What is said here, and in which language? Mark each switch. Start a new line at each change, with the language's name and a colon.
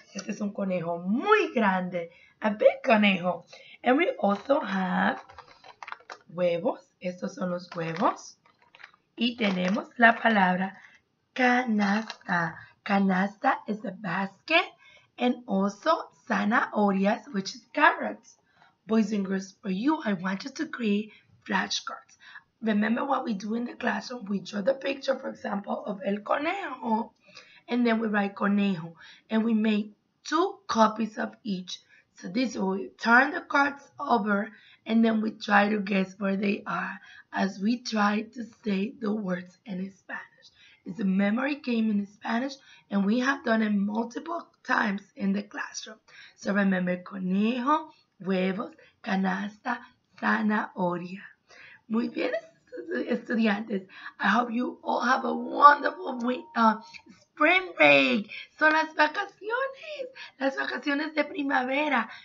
Spanish: Este es un conejo muy grande.
English: A big
Spanish: conejo.
English: And we also have huevos,
Spanish: estos son los huevos. Y tenemos la palabra canasta.
English: Canasta is a basket. And also zanahorias, which is carrots. Boys and girls, for you, I want you to create flashcards. Remember what we do in the classroom? We draw the picture, for example, of el conejo. And then we write conejo. And we make two copies of each. So this way, we turn the cards over, and then we try to guess where they are as we try to say the words in Spanish. It's a memory game in Spanish, and we have done it multiple times in the classroom. So remember, conejo, huevos, canasta, zanahoria.
Spanish: Muy bien, estudiantes.
English: I hope you all have a wonderful spring break.
Spanish: Son las vacaciones. Las vacaciones de primavera.